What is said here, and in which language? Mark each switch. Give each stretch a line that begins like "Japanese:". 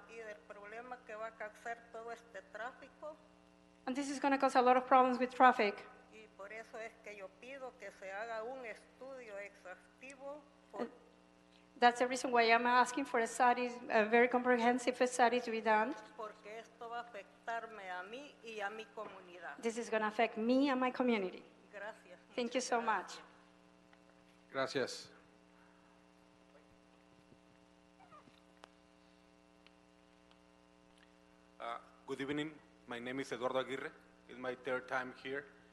Spanish: Y el problema que va a causar todo este tráfico.
English: And this is going to cause a lot of problems with traffic.
Spanish: Y por eso es que yo pido que se haga un estudio exhaustivo.
English: That's the reason why I'm asking for a study, a very comprehensive study to be done.
Spanish: Porque esto va a afectarme a mí y a mi comunidad.
English: This is going to affect me and my community.
Spanish: Gracias.
English: Thank you so much.
Spanish: Gracias.
English: Good evening. My name is Eduardo Aguirre. It's my third time here.